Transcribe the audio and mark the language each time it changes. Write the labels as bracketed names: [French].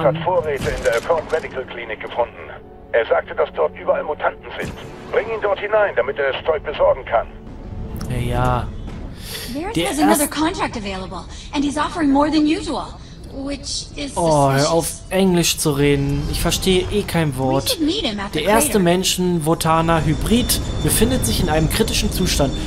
[German] Ein Arzt hat Vorräte in der Accord Medical Clinic gefunden. Er sagte, dass dort überall Mutanten sind. Bring ihn dort hinein, damit er das Zeug besorgen kann. Ja. [English] Merrick has another contract available, and he's offering more than usual, which is suspicious. [German] Oh, auf Englisch zu reden. Ich verstehe eh kein Wort. Der erste Menschen-Votana-Hybrid befindet sich in einem kritischen Zustand.